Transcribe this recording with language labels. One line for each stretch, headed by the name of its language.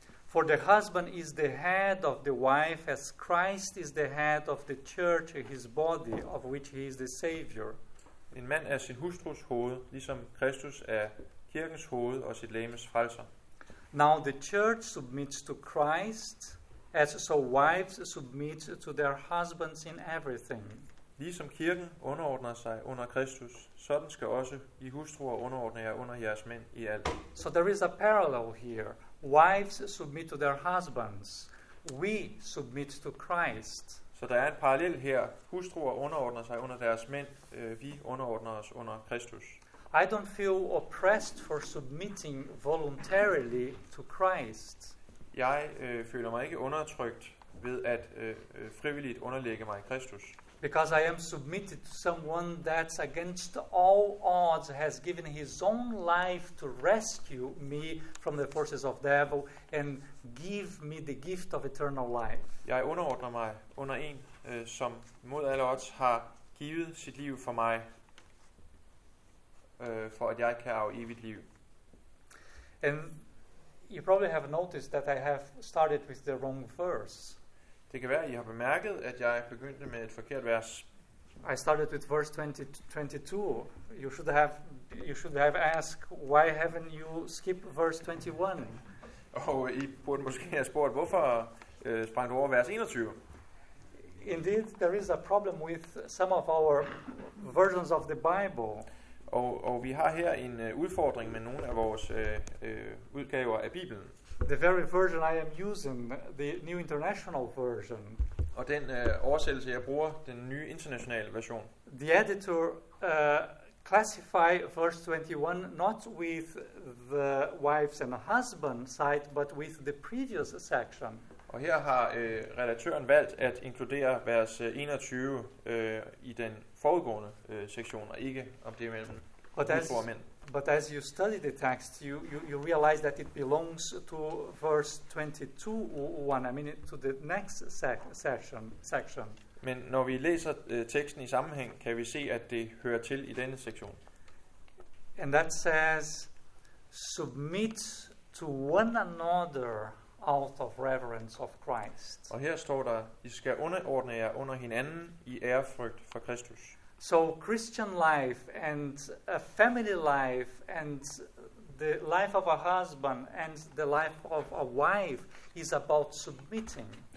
English: For the husband is the head of the wife, as Christ is the head of the church, his body, of which he is the Savior.
Danish: En mand er sin hustrus hoved, ligesom Kristus er kirkens hoved og sit læmes frelser.
English: Now the church submits to Christ, as so wives submit to their husbands in everything.
Danish: Ligesom kirken underordner sig under Kristus, sådan skal også I hustruer underordne jer under jeres mænd i alt.
English: So there is a parallel here. Wives submit to their husbands. We submit to Christ.
Danish: Så der er en parallel her. Hustruer underordner sig under deres mænd. Vi underordner os under Kristus.
English: I don't feel oppressed for submitting voluntarily to Christ.
Danish: Jeg føler mig ikke undertrykt ved at frivilligt underlægge mig Kristus.
English: Because I am submitted to someone that against all odds has given his own life to rescue me from the forces of the devil and give me the gift of eternal life.
Danish: Jeg underordner mig under en, som mod alle odds har givet sit liv for mig, for at jeg kan arve evigt liv.
English: And you probably have noticed that I have started with the wrong verse.
Danish: Det kan være, at I har bemærket, at jeg begyndte med et forkert vers.
English: I started with verse 22. You should have asked, why haven't you skipped verse 21?
Danish: Og I burde måske have spurgt, hvorfor sprang du over vers 21?
English: Indeed, there is a problem with some of our versions of the Bible.
Danish: Og vi har her en udfordring med nogle af vores udgaver af Bibelen.
English: The very version I am using, the New International Version.
Danish: Og den oversættelse jeg bruger, den nye internationale version.
English: The editor classify verse 21 not with the wives and husband side, but with the previous section.
Danish: Og her har redaktøren valgt at inkludere vers 21 i den forudgående sektion, og ikke om det mellem hustruer og mænd.
English: But as you study the text, you realize that it belongs to verse 22:1. I mean, to the next section.
Danish: Men når vi læser teksten i sammenhæng, kan vi se, at det hører til i denne sektion.
English: And that says, submit to one another out of reverence of Christ.
Danish: Og her står der, I skal underordne jer under hinanden i ærefrygt for Kristus.
English: So Christian life and a family life and the life of a husband and the life of a wife is about submitting.